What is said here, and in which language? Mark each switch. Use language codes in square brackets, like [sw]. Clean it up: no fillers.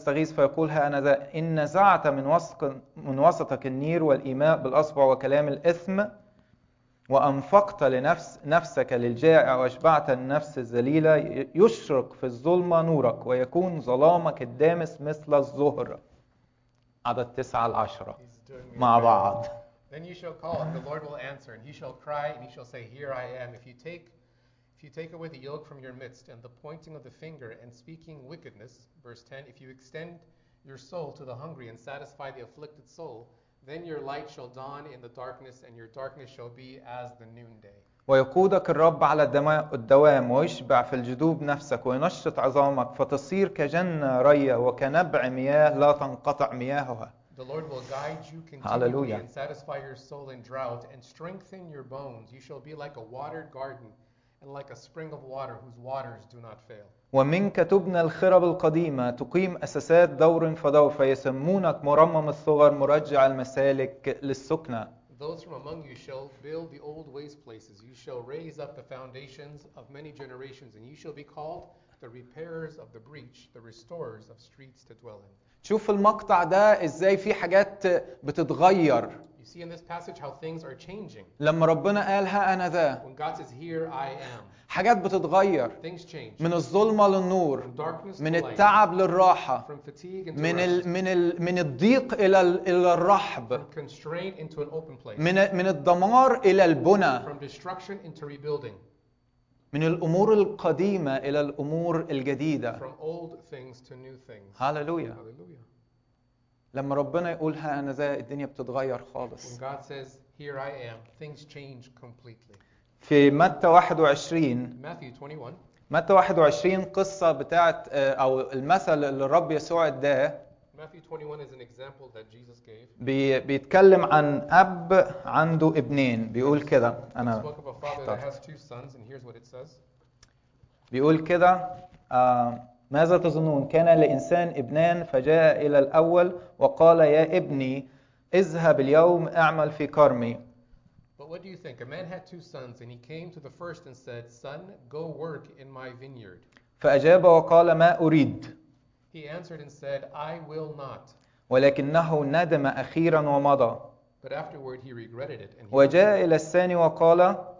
[ar] فيقول ها أنا ذا إن نزعت من وسطك النير والإيماء بالأصبع وكلام الإثم وأنفقت نفسك للجائع وأشبعت النفس الذليلة يشرق في الظلمة نورك ويكون ظلامك الدامس مثل الظهر عدد 9-10 مع بعض. [en] Then you shall call and the Lord will answer and he shall cry and he shall say here I am If you take away the yoke from your midst and the pointing of the finger and speaking wickedness, verse 10, if you extend your soul to the hungry and satisfy the afflicted soul, then your light shall dawn in the darkness and your darkness shall be as the noonday. [ar] ويقودك الرب على الدوام ويشبع في الجدوب نفسك وينشط عظامك فتصير كجنة ريا وكنبع مياه لا تنقطع مياهها. [en] The Lord will guide you continually Hallelujah. And satisfy your soul in drought and strengthen your bones. You shall be like a watered garden. And like a spring of water whose waters do not fail. [ar] ومنك تبنى الخرب القديمة تقيم أساسات دور فدور فيسمونك مرمم الثغر مرجع المسالك للسكنة. [en] Those from among you shall build the old waste places. You shall raise up the foundations of many generations, and you shall be called the repairers of the breach, the restorers of streets to dwell in. [ar] شوف المقطع ده إزاي في حاجات بتتغير. [en] See in this passage how things are changing. [ar] لما ربنا قال ها أنا ذا. [en] When God says here I am. [ar] حاجات بتتغير. [en] Things change. [ar] من الظلمة للنور. [en] From darkness [ar] من التعب للراحة. [en] From fatigue into [ar] من [en] rest. [ar] من الضيق إلى الرحب. [en] From constraint into an open place. [ar] من الدمار إلى البنى. [en] From destruction into rebuilding. [ar] من الأمور القديمة إلى الأمور الجديدة. [en] From old things to new things. Hallelujah. Hallelujah. [ar] لما ربنا يقول ها أنا ذا الدنيا بتتغير خالص. [en] When God says, here I am, things change completely. [ar] في متى 21. [en] Matthew 21. [ar] متى 21 قصة بتاعت أو المثل اللي الرب يسوع اداه. [en] Matthew 21 is an example that Jesus gave. [ar] بيتكلم عن أب عنده ابنين. بيقول كده. أنا. [en] He spoke of a father that has two sons, and here's what it says. [ar] بيقول كده. ماذا تظنون؟ كان لإنسان ابنان فجاء إلى الأول وقال يا ابني اذهب اليوم اعمل في كرمي. [en] But what do you think? A man had two sons and he came to the first and said, son, go work in my vineyard. [ar] فأجاب وقال ما أريد. [en] He answered and said, I will not. [ar] ولكنه ندم أخيرا ومضى. [en] But afterward he regretted it. And he [ar] وجاء إلى الثاني وقال